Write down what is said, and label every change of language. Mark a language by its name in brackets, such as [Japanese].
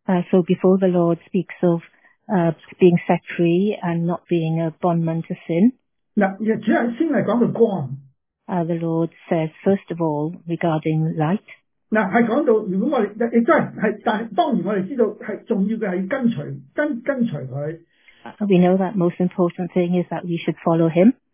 [English] So before the Lord speaks of being set free and not being a bondman to sin. [Cantonese] 嗱，主要先係講到光。 [English] The Lord says first of all regarding light. [Cantonese] 嗱，係講到如果我哋亦都係，但係當然我哋知道係重要嘅係跟隨佢。 [English] We know that most important thing is that we should follow him.